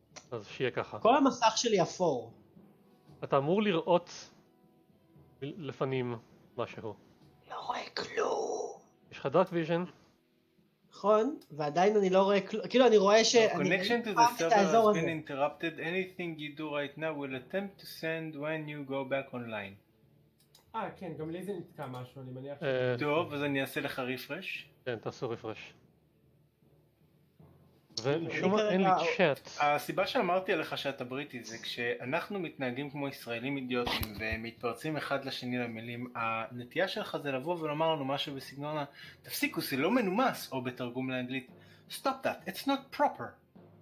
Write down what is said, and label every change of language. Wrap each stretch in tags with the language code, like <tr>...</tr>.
<he>אז שיהיה ככה. כל המסך שלי אפור. אתה אמור לראות... לפנים משהו. לא רואה כלום. יש לך דארק ויז'ן. נכון, ועדיין אני לא רואה כלום. כאילו אני רואה ש...</he> <en>connection to the server has been interrupted. Anything you do right now will attempt to send when you go back online.</en> <he>כן, גם לי זה נתקע משהו, אני מניח. טוב, אז אני אעשה לך רפרש. כן, תעשו רפרש. ומשום מה אין לי צ'אט. הסיבה שאמרתי עליך שאתה בריטי זה כשאנחנו מתנהגים כמו ישראלים אידיוטים ומתפרצים אחד לשני למילים, הנטייה שלך זה לבוא ולומר לנו משהו בסגנון תפסיקו, זה לא מנומס, או בתרגום לאנגלית</he> <en>stop that, it's not proper.</en>